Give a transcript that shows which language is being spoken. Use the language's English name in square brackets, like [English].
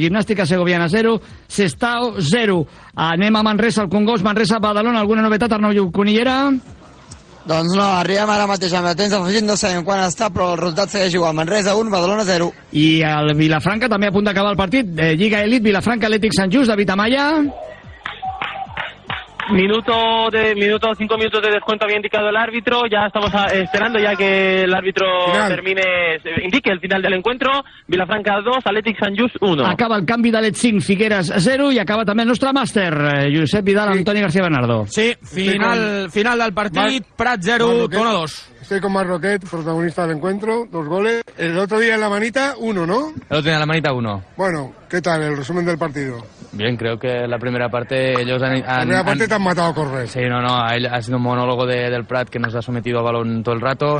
[Catalan] Gimnàstica Segoviana 0, Sestao 0. Anem a Manresa, al Congost, Manresa, Badalona. Alguna novetat, Arnau Conillera? Doncs no, arribem ara mateix amb el temps afegit, no sabem quan està, però el resultat segueix igual. Manresa 1, Badalona 0. I el Vilafranca també a punt d'acabar el partit. Lliga Elit, Vilafranca, Atlètic Sant Just, David Amaya. [Spanish] Minuto, 5 minutos de descuento había indicado el árbitro, ya estamos esperando ya que el árbitro termine, indique el final del encuentro. Vilafranca 2, Atlètic Sant Just 1. [Catalan] Acaba el canvi d'Alet 5, Figueres 0 i acaba també el nostre màster, Josep Vidal, sí. Antoni García Bernardo. Sí, final del partit, Prat 0, Tona 2. [Spanish] Estoy con Marroquet, protagonista del encuentro, dos goles. El otro día en la manita, uno, ¿no? El otro día en la manita, uno. Bueno, ¿qué tal el resumen del partido? Bien, creo que la primera parte ellos han... Te han matado a correr. Sí, no, ha sido un monólogo del Prat que nos ha sometido a balón todo el rato.